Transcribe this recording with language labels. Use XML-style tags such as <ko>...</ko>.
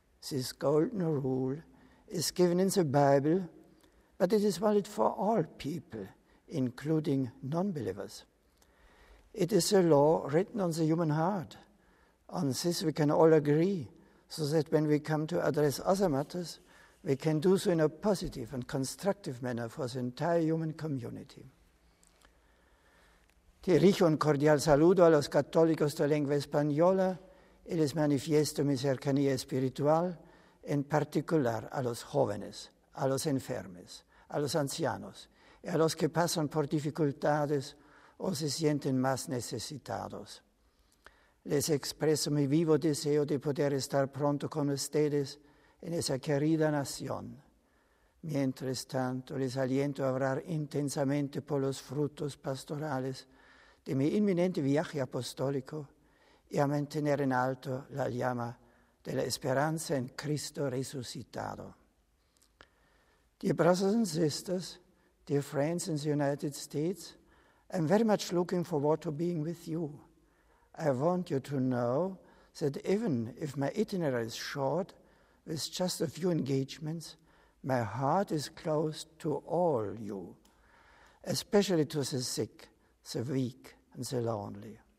<en>This golden rule is given in the Bible, but it is valid for all people, including non-believers. It is a law written on the human heart. On this we can all agree, so that when we come to address other matters, we can do so in a positive and constructive manner for the entire human community.</en> <es>Ti rico un cordial saludo a los católicos de lengua española y les manifiesto mi cercanía espiritual, en particular a los jóvenes, a los enfermos, a los ancianos y a los que pasan por dificultades o se sienten más necesitados. Les expreso mi vivo deseo de poder estar pronto con ustedes en esa querida nación. Mientras tanto, les aliento a orar intensamente por los frutos pastorales de mi inminente viaje apostólico y a mantener en alto la llama de la esperanza en Cristo resucitado.</es> <en>Dear brothers and sisters, dear friends in the United States, I'm very much looking forward to being with you. I want you to know that even if my itinerary is short, with just a few engagements, my heart is closed to all you, especially to the sick, the weak, and the lonely.</en>